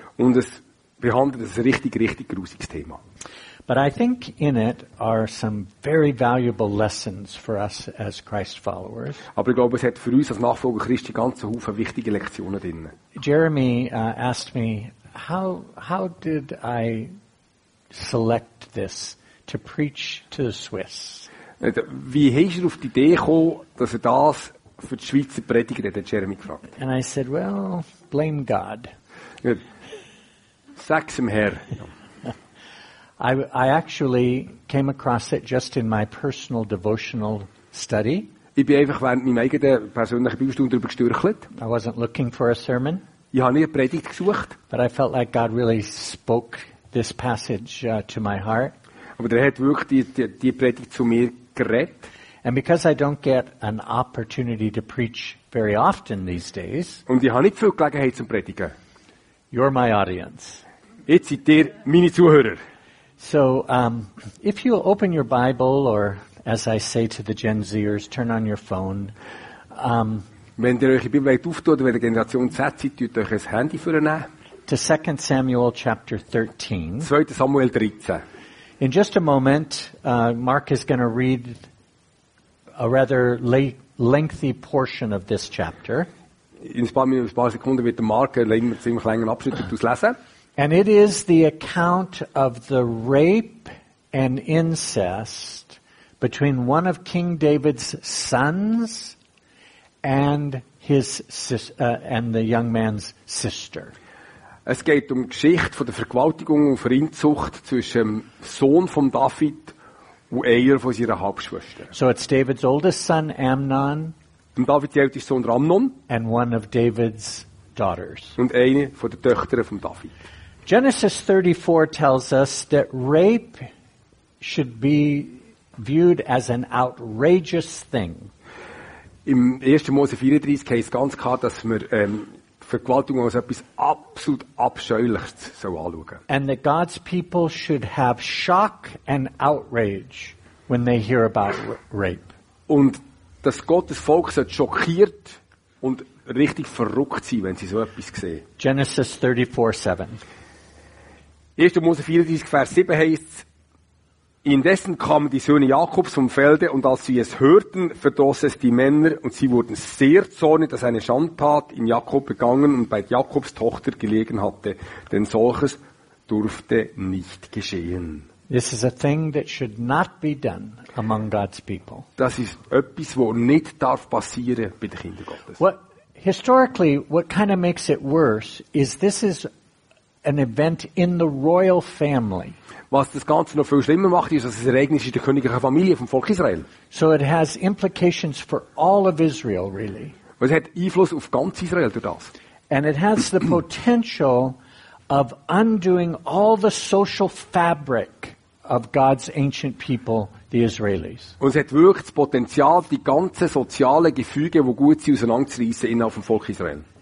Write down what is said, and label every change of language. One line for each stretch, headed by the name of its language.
German: Und es behandelt ein richtig, richtig grusiges Thema.
English: But I think in it are some very valuable lessons for us as Christ followers.
German: Aber ich glaube, es hat für uns als Nachfolger Christi ganz einen Haufen wichtige Lektionen drin.
English: Jeremy asked me, how did I select this to preach to the Swiss?
German: Wie hast du auf die Idee gekommen, dass er das für die Schweizer predigt, hat Jeremy gefragt.
English: And I said, well, blame God.
German: Sag's dem Herr.
English: I actually came across it just in my personal devotional study.
German: Ich bin einfach während meiner eigenen persönlichen Bibelstunde darüber gestürchelt.
English: I wasn't looking for a sermon.
German: Ich habe nie eine Predigt gesucht.
English: But I felt like God really spoke this passage to my heart.
German: Aber er hat wirklich die Predigt zu mir geredet.
English: And because I don't get an opportunity to preach very often these days.
German: Und ich habe nicht viel Gelegenheit zum Predigen.
English: You're my audience.
German: Jetzt seid ihr meine Zuhörer.
English: So, if you open your Bible, or as I say to the Gen Zers, turn on your phone.
German: Wenn ihr eure Bibel auftut, oder wenn ihr Generation Z seid, tut euch ein Handy vornehmen.
English: To 2 Samuel chapter 13.
German: 2 Samuel 13.
English: In just a moment, Mark is going to read a rather lengthy portion of this chapter.
German: In ein paar Sekunden wird Mark einen ziemlich langen Abschnitt daraus lesen.
English: And it is the account of the rape and incest between one of King David's sons and the young man's sister.
German: Es geht um die Geschichte von der Vergewaltigung und Verinzucht zwischen dem Sohn von David und einer von seiner Halbschwester.
English: So it's David's oldest son, Amnon.
German: Und David's älteste Sohn, Amnon.
English: And one of David's daughters.
German: Und eine von der Töchter von David.
English: Genesis 34 tells us that rape should be viewed as an outrageous thing.
German: Im 1. Mose 34 heißt ganz klar, dass wir Vergewaltigung als etwas absolut Abscheuliches so anschauen.
English: And that God's people should have shock and outrage when they hear about rape.
German: Und dass Gottes Volk sollte schockiert und richtig verrückt sein, wenn sie so etwas sehen.
English: Genesis 34:7.
German: 1. Mose 34, Vers 7 heißt: Indessen kamen die Söhne Jakobs vom Felde, und als sie es hörten, verdroß es die Männer, und sie wurden sehr zornig, dass eine Schandtat in Jakob begangen und bei Jakobs Tochter gelegen hatte, denn solches durfte nicht geschehen.
English: This is a thing that should not be done among God's people.
German: Das ist etwas, wo nicht darf passieren bei den Kindern Gottes.
English: What historically, what kind of makes it worse is this is an event in the royal family.
German: Was das Ganze noch viel schlimmer macht, ist, dass es ein Ereignis ist der königlichen Familie vom Volk Israel.
English: So it has implications for all of Israel, really.
German: Es hat Einfluss auf ganz Israel durch das.
English: And it has the potential of undoing all the social fabric of God's ancient people, the Israelis.
German: Und es hat wirklich das Potenzial, die ganzen sozialen Gefüge, die gut sind, auseinanderzureissen innerhalb vom Volk Israel.